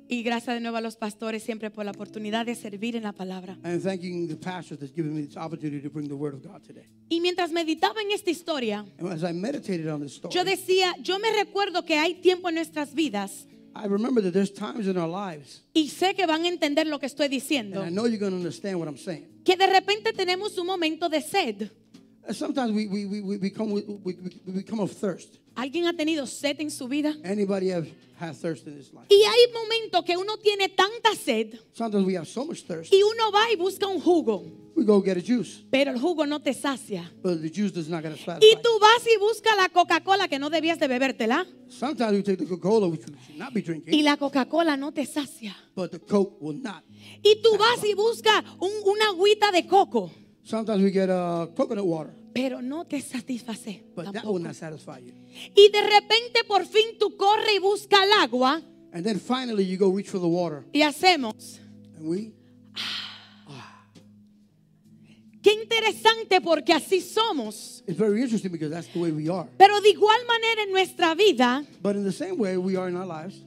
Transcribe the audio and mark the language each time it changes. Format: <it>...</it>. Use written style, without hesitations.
<es>Y gracias de nuevo a los pastores siempre por la oportunidad de servir en la palabra.</es> <en>And thanking the pastors that's given me this opportunity to bring the word of God today.</en> <es>Y mientras meditaba en esta historia,</es> <en>as I meditated on this story,</en> <es>yo decía, yo me recuerdo que hay tiempo en nuestras vidas.</es> <en>I remember that there's times in our lives.</en> <es>Y sé que van a entender lo que estoy diciendo.</es> <en>And I know you're going to understand what I'm saying.</en> <es>Que de repente tenemos un momento de sed.</es> <en>Sometimes we become of thirst.</en> <es>¿Alguien ha tenido sed en su vida?</es> <en>Anybody have had thirst in this life?</en> <es>Y hay momentos que uno tiene tanta sed.</es> <en>Sometimes we have so much thirst.</en> <es>Y uno va y busca un jugo.</es> <en>We go get a juice.</en> <es>Pero el jugo no te sacia.</es> <en>But the juice does not get us satisfied.</en> <es>Y tú vas y buscas la Coca-Cola que no debías de bebértela.</es> <en>Sometimes we take the Coca-Cola which we should not be drinking.</en> <es>Y la Coca-Cola no te sacia.</es> <en>But the Coke will not.</en> <es>Y tú vas y buscas una agüita de coco.</es> <en>Sometimes we get coconut water.</en> <es>Pero no te satisface.</es> <en>But</en> <es>tampoco.</es> <en>That will not satisfy you.</en> <es>Y de repente por fin tú corres y buscas el agua.</es> <en>And then finally you go reach for the water.</en> <es>Y hacemos.</es> <en>And we.</en> <es>Qué interesante porque así somos.</es> <en>It's very interesting because that's the way we are.</en> <es>Pero de igual manera en nuestra vida.</es> <en>But in the same way we are in our lives.</en>